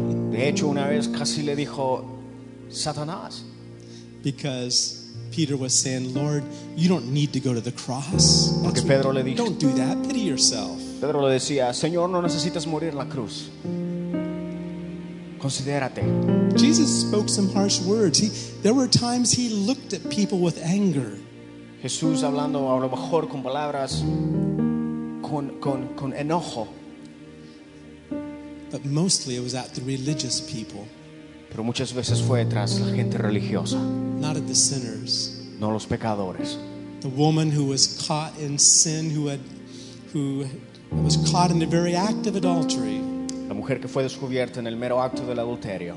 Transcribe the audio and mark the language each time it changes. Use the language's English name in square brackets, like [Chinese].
[Spanish] De hecho, una vez casi le dijo Satanás. [English] Because Peter was saying, "Lord, you don't need to go to the cross." [Spanish] Porque Pedro le dijo, [English] "Don't do that. Pity yourself." [Spanish] Pedro le decía, "Señor, no necesitas morir en la cruz. Considérate." [English] Jesus spoke some harsh words. There were times he looked at people with anger. [Spanish] Jesús hablando a lo mejor con palabras con enojo. [English] But mostly it was at the religious people. [Spanish] Pero muchas veces fue tras la gente religiosa. [English] Not at the sinners. [Spanish] No los pecadores. [English] the woman who was caught in sin, who was caught in the very act of adultery. [Spanish] La mujer que fue descubierta en el mero acto del adulterio.